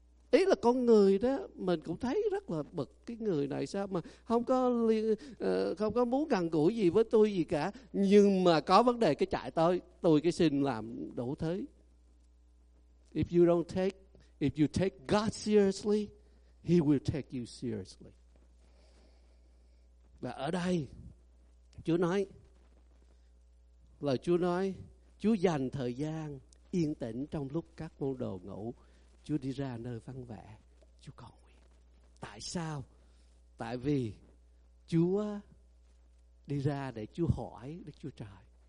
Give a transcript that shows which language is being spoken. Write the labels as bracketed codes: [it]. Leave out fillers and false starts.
[vi] Ý là con người đó, mình cũng thấy rất là bực cái người này sao mà không có muốn gần gũi gì với tôi gì cả. Nhưng mà có vấn đề cái chạy tôi cái xin làm đủ thứ. [en] If you take God seriously, He will take you seriously. [vi] Và ở đây, Chúa nói, Chúa dành thời gian yên tĩnh trong lúc các môn đồ ngủ. Chúa đi ra nơi vắng vẻ, Chúa cầu nguyện. Tại sao? Tại vì Chúa đi ra để Chúa hỏi Đức Chúa Trời.